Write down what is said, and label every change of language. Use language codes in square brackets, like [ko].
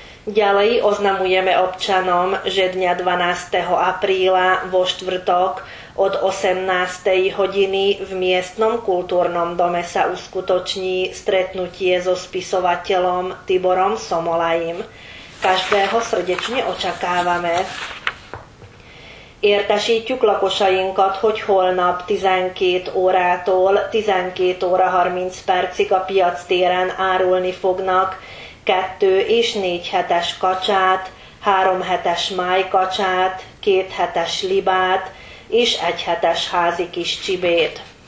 [sk] Ďalej oznamujeme občanom, že dňa 12. apríla vo štvrtok od 18. hodiny v miestnom kultúrnom dome sa uskutoční stretnutie so spisovateľom Tiborom Somolajim. Každého srdečne očakávame. [hu] Értesítjük lakosainkat, hogy holnap 12 órától 12 óra 30 percig a piac téren árulni fognak 2 és 4 hetes kacsát, 3 hetes májkacsát, 2 hetes libát és 1 hetes házi kis csibét.